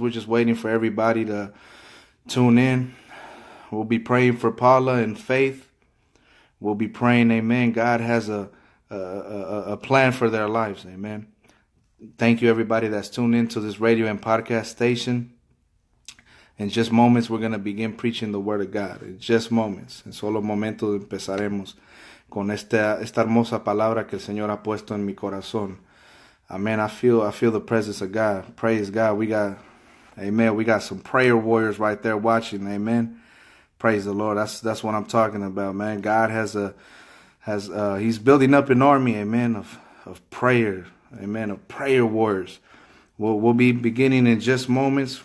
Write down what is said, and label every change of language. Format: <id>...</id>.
<en>We're just waiting for everybody to tune in. We'll be praying for Paula and Faith. We'll be praying, amen. God has a plan for their lives, amen. Thank you, everybody that's tuned in to this radio and podcast station. In just moments, we're going to begin preaching the word of God. In just moments.</en> <es>En solo momentos empezaremos con esta hermosa palabra que el Señor ha puesto en mi corazón.</es> <en>Amen. I feel the presence of God. Praise God. We got some prayer warriors right there watching. Amen. Praise the Lord. That's what I'm talking about, man. God he's building up an army, amen, of prayer. Amen. Of prayer warriors. We'll be beginning in just moments.</en>